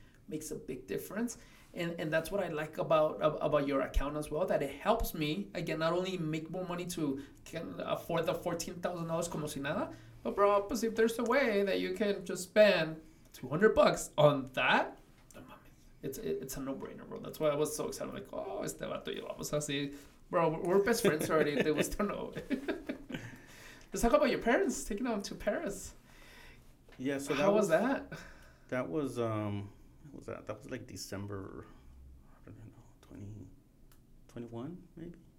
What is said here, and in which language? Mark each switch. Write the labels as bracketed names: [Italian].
[English] Makes a big difference. And that's what I like about your account as well, that it helps me, again, not only make more money to can afford the $14,000 [Spanish] como si nada, [English] but bro, but if there's a way that you can just spend $200 on that, it's a no-brainer, bro. That's why I was so excited. I'm like, oh, [Spanish] este vato y vamos así. [English] Bro, we're best friends already. They just don't know. Let's talk about your parents taking them to Paris. Yeah, so how was that? That was... was that? That was like December, I don't know, 2021 maybe?